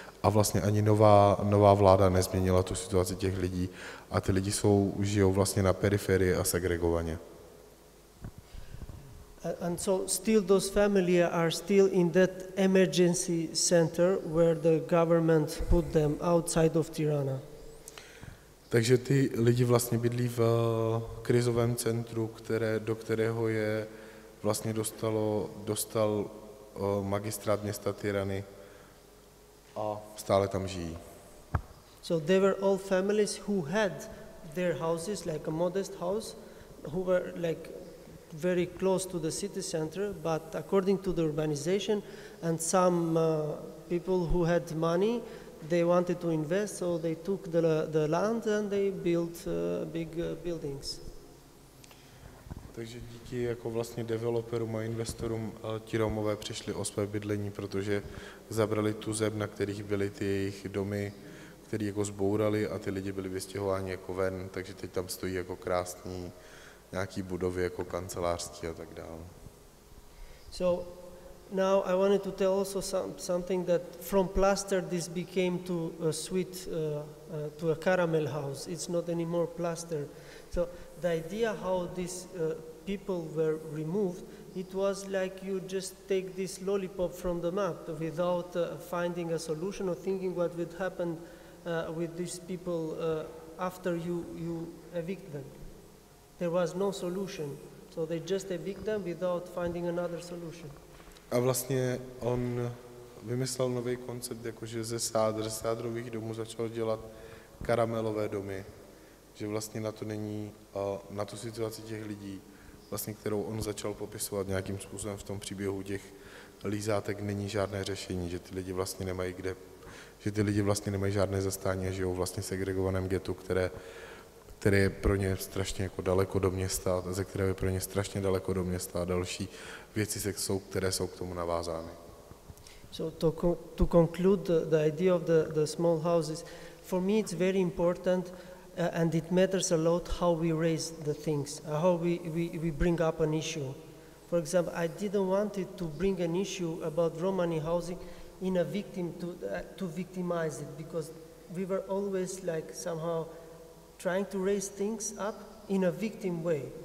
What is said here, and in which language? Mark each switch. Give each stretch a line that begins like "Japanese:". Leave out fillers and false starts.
Czech: A vlastně ani nová vláda nezměnila tu situaci těch lidí a ty lidi žijou vlastně na periferii a segregovaně.
English: And so still those families are still in that emergency center where the government put them outside of Tirana.
Czech: Takže ty lidi vlastně bydlí v krizovém centru, do kterého je vlastně dostal magistrát města Tirany a stále tam žijí.
English: So they were all families who had their houses like a modest house who were like very close to the city center, but according to the urbanization and some people who had money, they wanted to invest, so they took the land and they built big buildings.
Czech: Takže díky jako vlastně developerům a investorům ti Romové přišli o své bydlení, protože zabrali tu zem, na kterých byly ty jejich domy, které jako zbourali a ty lidi byli vystěhováni jako ven, takže teď tam stojí jako krásný nějaký budovy jako kancelářský a tak dále.
English: So now I wanted to tell also something that from plaster this became to a sweet to a caramel house. It's not anymore plaster. So the idea how these people were removed, it was like you just take this lollipop from the map without finding a solution or thinking what would happen with these people after you evict them. There was no solution, so they just evict them without finding another solution.
Czech: A vlastně on vymyslel nový koncept, jakože ze sádrových domů začal dělat karamelové domy. Že vlastně na to není, na tu situaci těch lidí, vlastně kterou on začal popisovat nějakým způsobem v tom příběhu těch lízátek, není žádné řešení, že ty lidi vlastně nemají kde, že ty lidi vlastně nemají žádné zastání a žijou vlastně v segregovaném getu, které je pro ně strašně jako daleko do města, ze kterého je pro ně strašně daleko do města a další věci, které jsou k tomu navázány.
English: So to conclude the idea of the small houses, for me it's very important. And it matters a lot how we raise the things, how we bring up an issue. For example, I didn't want it to bring an issue about Romani housing in a victim to victimize it, because we were always like somehow trying to raise things up in a victim way.